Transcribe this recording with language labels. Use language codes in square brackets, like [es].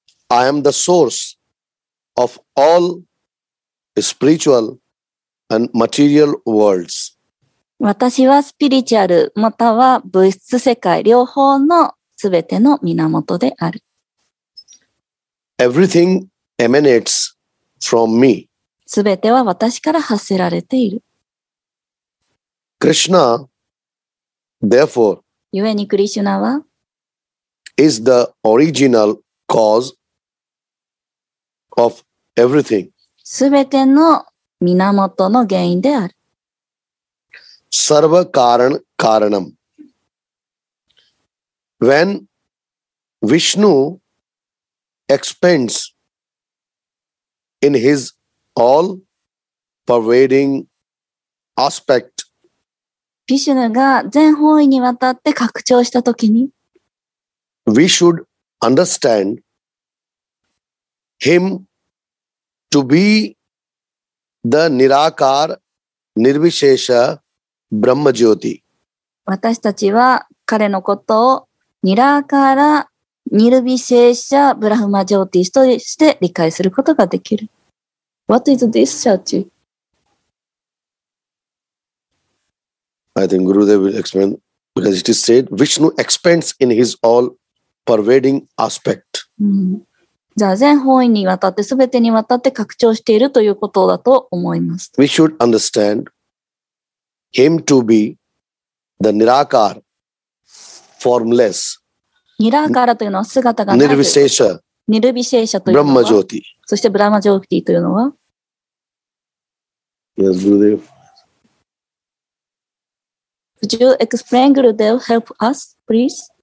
[en] I am the source of all spiritualand material worlds. [ja] 私はスピリチュアルまたは物質世界両方のすべての源である。 [en] Everything emanates from me. [ja] すべては私から発せられている。 [en] Krishna, therefore, [ja] ゆえにクリシュナは [en] is the original cause of everything. [ja] すべての源の原因である。 [sa] サルバカーラン・カーラナム。 [en] When Vishnu expands in his all pervading aspect, [ja] Vishnu が全方位にわたって拡張したときに、 [en] We should understand him to beThe Nirakar Nirvishesha Brahma Jyoti. [ja] 私たちは彼のことをニラーカーラニルビシェシャブラフマジョーティとして理解することができる。 [en] What is this, Shachi? I think Gurudev will explain because it is said Vishnu expands in his all pervading aspect.、 [ja] うん、じゃあ全方位にわたって全てにわたって拡張しているということだと思います。 [en] We should understand him to be the nirakar, formless. [ja] ニラーカラというのは姿がない。ニルビシェシャ。ニルビシェシャというのは。ブラマジョーティ。そしてブラマジョーティというのは。 [en] Yes, Gurudev. Could you explain, Gurudev, help us, please?